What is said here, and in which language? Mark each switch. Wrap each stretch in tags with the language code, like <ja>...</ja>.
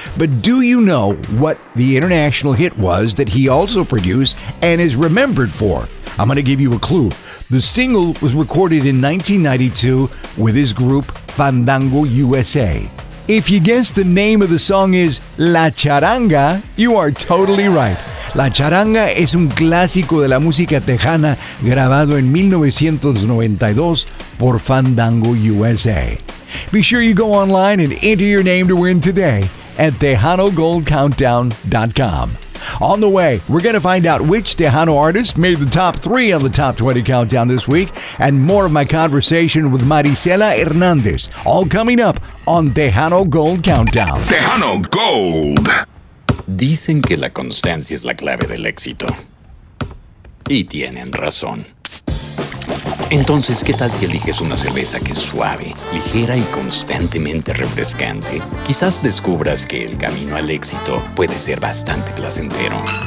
<en>But do you know what the international hit was that he also produced and is remembered for? I'm going to give you a clue. The single was recorded in 1992 with his group Fandango USA. If you guess the name of the song is La Charanga, you are totally right.</en> <es>La Charanga es un clásico de la música tejana grabado en 1992 por Fandango USA.</es> <en>Be sure you go online and enter your name to win today at TejanoGoldCountdown.com. On the way, we're going to find out which Tejano artist made the top three on the Top 20 Countdown this week, and more of my conversation with Maricela Hernandez, all coming up on Tejano Gold Countdown. Tejano Gold!</en> <es>Dicen que la constancia es la clave del éxito. Y tienen razón. Entonces, ¿qué tal si eliges una cerveza que es suave, ligera y constantemente refrescante? Quizás descubras que el camino al éxito puede ser bastante placentero.</es>